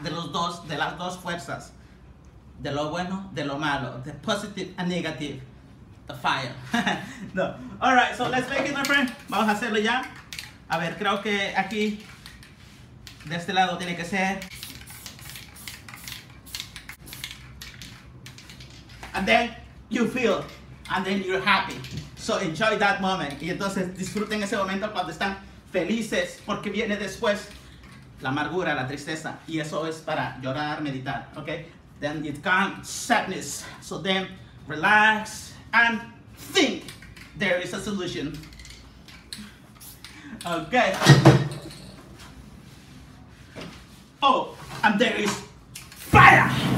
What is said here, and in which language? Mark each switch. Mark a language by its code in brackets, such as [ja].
[es] de las dos fuerzas. De lo bueno, de lo malo, [en] the positive and negative, the fire. [es] No. [en] All right, so let's make it, my friend. [es] Vamos a hacerlo ya. A ver, creo que aquí de este lado tiene que ser. [en] And then you feel, and then you're happy. So enjoy that moment. [es] Y entonces disfruten ese momento cuando están felices, porque viene después la amargura, la tristeza. Y eso es para llorar, meditar, okay? [en] Then it comes sadness. So then relax and think there is a solution. Okay. Oh, and there is fire.